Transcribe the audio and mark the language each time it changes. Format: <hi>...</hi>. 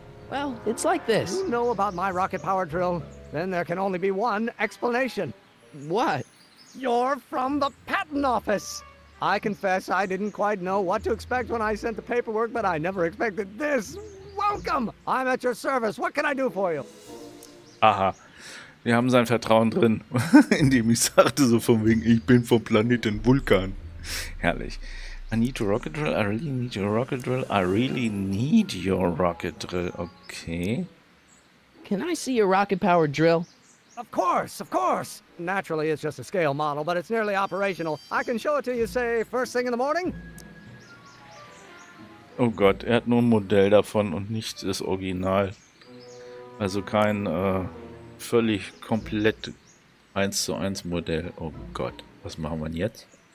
<en>Well, it's like this. You know about my rocket power drill? Then there can only be one explanation. What? You're from the patent office. I confess I didn't quite know what to expect when I sent the paperwork, but I never expected this. Welcome! I'm at your service. What can I do for you? Aha.</en> <de>Wir haben sein Vertrauen drin, indem ich sagte so von wegen, ich bin vom Planeten Vulkan. Herrlich.</de> <en>I need your rocket drill. I really need your rocket drill. I really need your rocket drill. Okay. Can I see your rocket-powered drill? Of course, of course. Naturally, it's just a scale model, but it's nearly operational. I can show it to you, say, first thing in the morning.</en> <de>Oh Gott, er hat nur ein Modell davon und nicht das Original. Also kein völlig komplett 1:1 Modell. Oh Gott, was machen wir denn jetzt?</de>